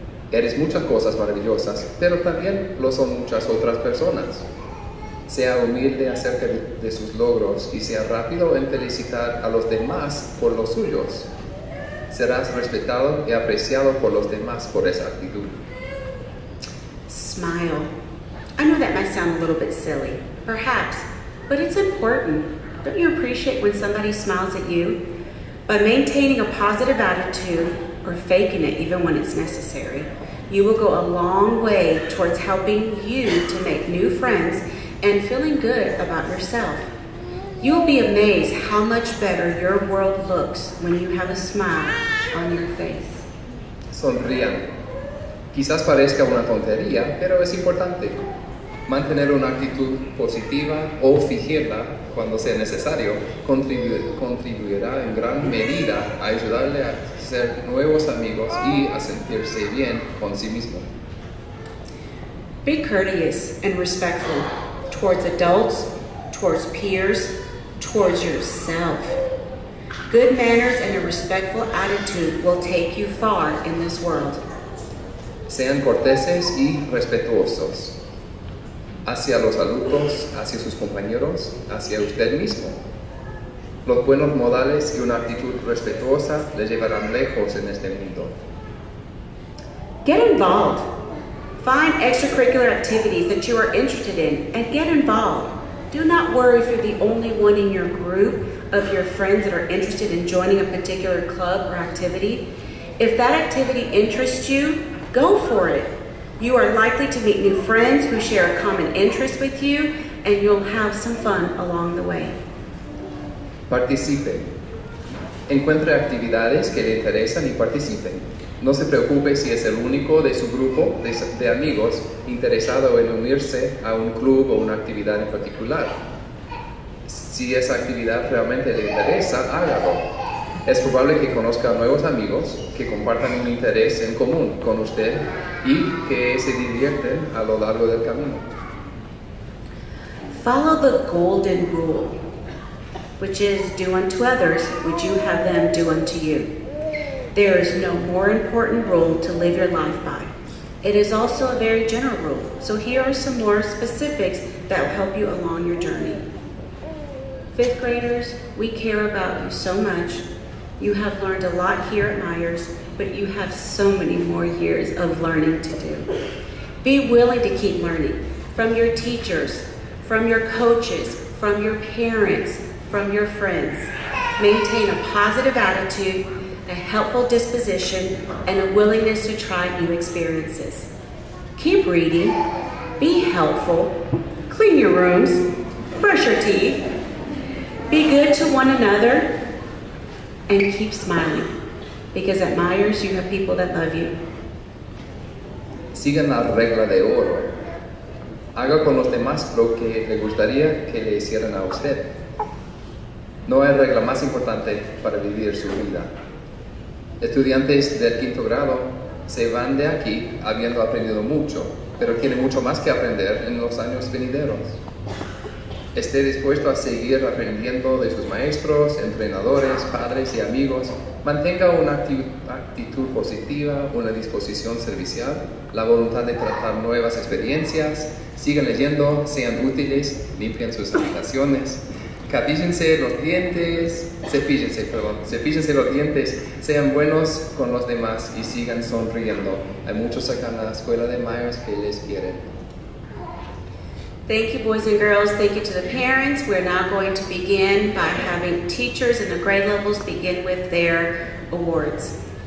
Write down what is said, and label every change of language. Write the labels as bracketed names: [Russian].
[Spanish] Eres muchas cosas maravillosas, pero también lo son muchas otras personas. Sea humilde acerca de sus logros y sea rápido en felicitar a los demás por los suyos. Serás respetado y apreciado por los demás por esa actitud. [English] Smile. I know that might sound a little bit silly, perhaps, but it's important. Don't you appreciate when somebody smiles at you? By maintaining a positive attitude, or faking it even when it's necessary, you will go a long way towards helping you to make new friends and feeling good about yourself. You'll be amazed how much better your world looks when you have a smile on your face. [Spanish] sonrían. Quizás parezca una tontería, pero es importante mantener una actitud positiva o fingirla cuando sea necesario. Contribuirá en gran medida a ayudarle a hacer nuevos amigos y a sentirse bien con sí mismo. [English] Be courteous and respectful towards adults, towards peers, towards yourself. Good manners and a respectful attitude will take you far in this world. [Spanish] Sean corteses y respetuosos hacia los adultos, hacia sus compañeros, hacia usted mismo. Los buenos modales y una actitud respetuosa le llevarán lejos en este mundo. [English] Get involved. Find extracurricular activities that you are interested in and get involved. Do not worry if you're the only one in your group of your friends that are interested in joining a particular club or activity. If that activity interests you, go for it. You are likely to meet new friends who share a common interest with you, and you'll have some fun along the way. [Spanish] Participe. Encuentre actividades que le interesan y participe. No se preocupe si es el único de su grupo de amigos interesado en unirse a un club o una actividad en particular. Si esa actividad realmente le interesa, hágalo. Es probable que conozca nuevos amigos que compartan un interés en común con usted y que se divierten a lo largo del camino. [English] Follow the golden rule, which is do unto others what you have them do unto you. There is no more important rule to live your life by. It is also a very general rule. So here are some more specifics that will help you along your journey. Fifth graders, we care about you so much. You have learned a lot here at Myers, but you have so many more years of learning to do. Be willing to keep learning from your teachers, from your coaches, from your parents, from your friends. Maintain a positive attitude, a helpful disposition, and a willingness to try new experiences. Keep reading, be helpful, clean your rooms, brush your teeth, be good to one another, and keep smiling, because at Myers you have people that love you. [Spanish] Sigan la regla de oro. Haga con los demás lo que le gustaría que le hicieran a usted. No hay regla más importante para vivir su vida. Estudiantes del quinto grado se van de aquí habiendo aprendido mucho, pero tienen mucho más que aprender en los años venideros. Esté dispuesto a seguir aprendiendo de sus maestros, entrenadores, padres y amigos. Mantenga una actitud positiva, una disposición servicial, la voluntad de tratar nuevas experiencias. Sigan leyendo, sean útiles, limpien sus habitaciones. Cepíllense los dientes, sean buenos con los demás y sigan sonriendo. Hay muchos acá en la escuela de Myers que les quieren. [English] Thank you, boys and girls. Thank you to the parents. We're now going to begin by having teachers in the grade levels begin with their awards.